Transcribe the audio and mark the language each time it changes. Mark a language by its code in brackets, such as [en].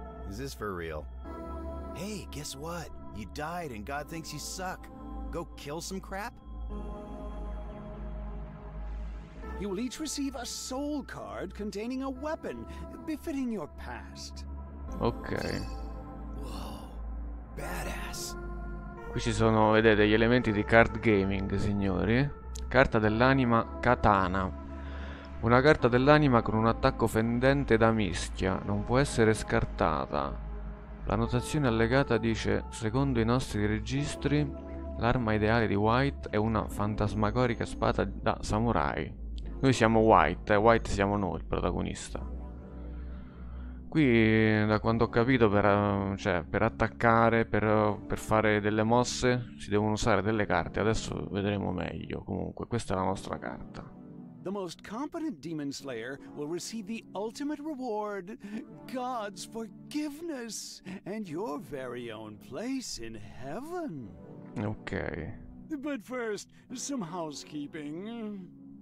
[en] Is this for real? Hey, guess what? You died and God thinks you suck. Go kill some crap? You will each receive a soul card containing a weapon befitting your past. Okay. Wow. Badass. [it] Qui ci sono, vedete, gli elementi di card gaming, signori. Carta dell'anima Katana. Una carta dell'anima con un attacco fendente da mischia. Non può essere scartata. La notazione allegata dice: secondo i nostri registri, l'arma ideale di White è una fantasmagorica spada da samurai. Noi siamo White, e White siamo noi, il protagonista. Qui, da quanto ho capito, per attaccare, per fare delle mosse, si devono usare delle carte. Adesso vedremo meglio. Comunque, questa è la nostra carta. [en] The most competent demon slayer will receive the ultimate reward, God's forgiveness, and your very own place in heaven. Ok. But first, some housekeeping.